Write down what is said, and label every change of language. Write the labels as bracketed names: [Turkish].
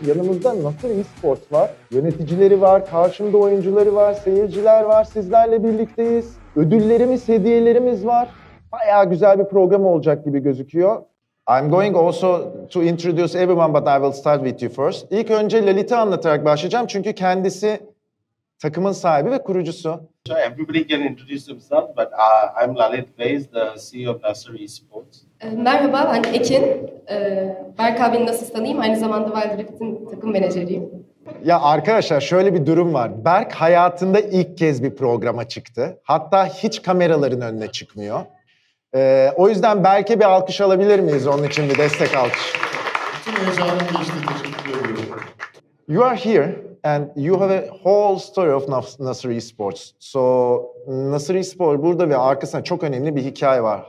[Turkish] Yanımızda Nasır Esports var, yöneticileri var, karşımda oyuncuları var, seyirciler var, sizlerle birlikteyiz. Ödüllerimiz, hediyelerimiz var. Bayağı güzel bir program olacak gibi gözüküyor. [English] I'm going also to introduce everyone, but I will start with you first. [Turkish] İlk önce Lalit'i anlatarak başlayacağım çünkü kendisi takımın sahibi ve kurucusu. [English] So everybody can introduce themselves, but I'm Lalit Reis, the CEO of Nasır Esports. [Turkish] Merhaba, ben Ekin. Berk abini nasıl tanıyayım? Aynı zamanda Wild Rift'in takım menajeriyim. Ya arkadaşlar şöyle bir durum var. Berk hayatında ilk kez bir programa çıktı. Hatta hiç kameraların önüne çıkmıyor. O yüzden belki bir alkış alabilir miyiz onun için, bir destek alkış. Bütün heyecanım geçti, teşekkür ediyorum. [English] You are here and you have a whole story of Nasır Esports. [Turkish] So Nasır Esports burada ve arkasında çok önemli bir hikaye var.